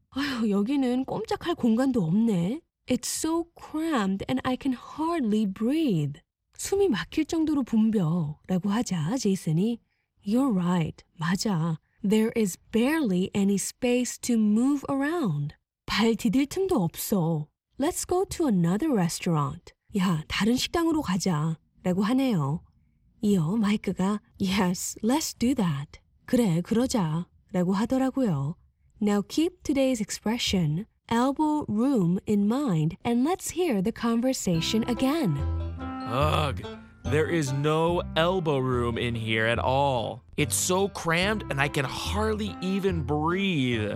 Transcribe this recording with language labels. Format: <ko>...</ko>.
<ko>아휴, 여기는 꼼짝할 공간도 없네.</ko> <en>It's so cramped and I can hardly breathe.</en> <ko>숨이 막힐 정도로 붐벼라고 하자 제이슨이</ko> <en>You're right,</en> <ko>맞아.</ko> <en>There is barely any space to move around.</en> <ko>발 디딜 틈도 없어.</ko> <en>Let's go to another restaurant.</en> <ko>야, 다른 식당으로 가자 라고 하네요. 이어 마이크가</ko> <en>Yes, let's do that.</en> <ko>그래, 그러자 라고 하더라고요.</ko> <en>Now keep today's expression, elbow room, in mind and let's hear the conversation again. Ugh, there is no elbow room in here at all. It's so crammed and I can hardly even breathe.</en>